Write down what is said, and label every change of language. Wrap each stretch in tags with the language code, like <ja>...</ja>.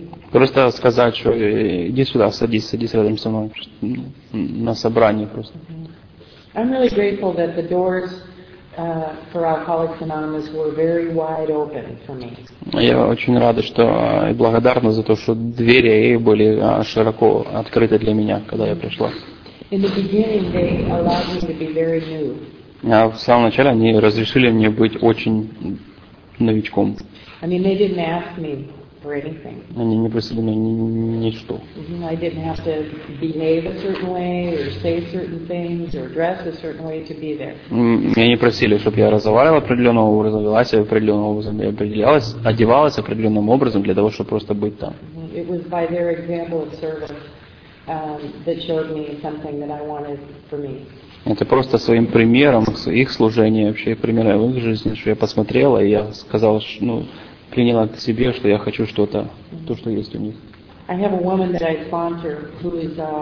<ru>Просто сказать, что иди сюда, садись рядом со мной на собрание просто.</ru> <en>I'm really grateful that the doors for Alcoholics Anonymous were very wide open for me.</en> <ru>Я очень рада, что и благодарна за то, что двери ей были широко открыты для меня, когда я пришла.</ru> <en>In the beginning, they allowed me to be very new.</en> <ru>В самом начале они разрешили мне быть очень новичком.</ru> <en>I mean, they didn't ask me.</en> <ru>Они не просили меня ничто.</ru> <en>I didn't have to behave a certain way or say certain things or dress a certain way to be there.</en> <ru>Меня не просили, чтобы я разговаривала определенного образа, вела себя определенного образа, одевалась определенным образом для того, чтобы просто быть там.</ru> <en>It was by their example of service that showed me something that I wanted for me.</en> <ru>Это просто своим примером, их служение, вообще примером их жизни, что я посмотрела и я сказала, приняла к себе, что я хочу что-то, то, что есть у них.</ru> <en>I have a woman that I sponsor who is</en>